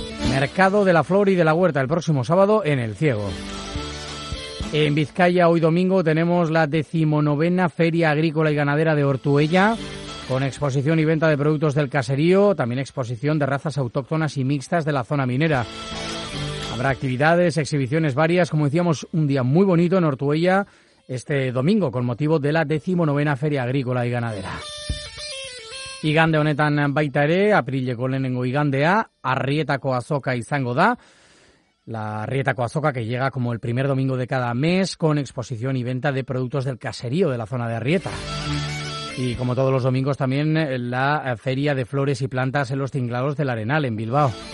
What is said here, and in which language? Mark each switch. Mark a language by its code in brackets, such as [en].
[es] Mercado de la flor y de la huerta, el próximo sábado en El Ciego. En Vizcaya, hoy domingo, tenemos la 19ª Feria Agrícola y Ganadera de Ortuella, con exposición y venta de productos del caserío, también exposición de razas autóctonas y mixtas de la zona minera. Habrá actividades, exhibiciones varias, como decíamos, un día muy bonito en Ortuella este domingo, con motivo de la 19ª Feria Agrícola y Ganadera. [eu] Igande honetan baita ere, aprileko lehenengo igandea, Arrietako azoka izango da. [es] La Arrietako azoka, que llega como el primer domingo de cada mes, con exposición y venta de productos del caserío de la zona de Arrieta. Y como todos los domingos, también la Feria de Flores y Plantas en los Tinglados del Arenal, en Bilbao.